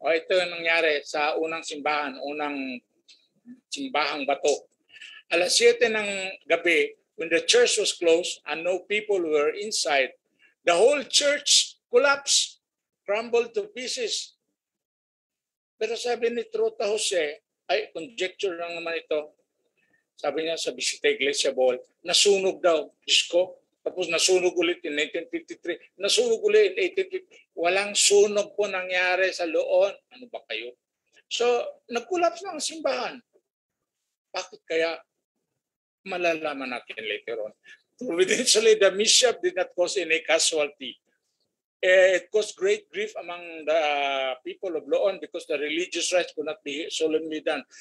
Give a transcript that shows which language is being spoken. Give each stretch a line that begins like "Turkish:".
Filipino: Oh, ito yung nangyari sa unang simbahang bato. Alas 7 ng gabi,
English: when the church was closed and no people were inside, the whole church collapsed, crumbled to pieces.
Filipino: Pero sabi ni Trota Jose, ay conjecture lang naman ito, sabi niya sa bisita Iglesia Bohol, nasunog daw, Disko. Tapos nasunog ulit in 1853. Nasunog ulit in 1850. Walang sunog po nangyari sa Loon. Ano ba kayo? So, nag-collapse lang ang simbahan. Bakit kaya? Malalaman natin later on.
English: Providentially, the mishap did not cause any casualty. It caused great grief among the people of Loon because the religious rites could not be solemnly done.